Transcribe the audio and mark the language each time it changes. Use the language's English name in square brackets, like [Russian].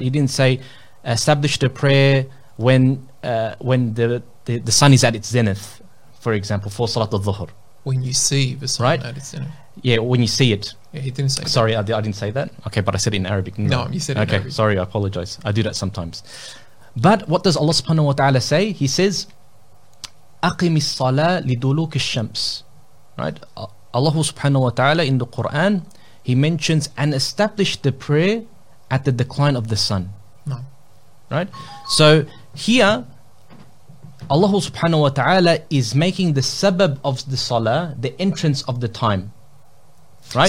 [English] He didn't say, establish the prayer when the sun is at its zenith, for example, for Salat al-Dhuhr. When you see the sun, right? Notice, you know? Yeah, when you see it. Yeah, he didn't say sorry, that. Sorry, I didn't say that. Okay, but I said it in Arabic. No, you said it okay, in Arabic. Sorry, I apologize. I do that sometimes. But what does Allah subhanahu wa ta'ala say? He says, [Arabic] أَقِمِ الصَّلَىٰ لِدُلُوكِ الشَّمْسِ. [English] Right? Allah subhanahu wa ta'ala in the Quran, he mentions, and establish the prayer at the decline of the sun. No. Right? So here, Allah subhanahu wa ta'ala is making the sabab of the salah, the entrance of the time. Right?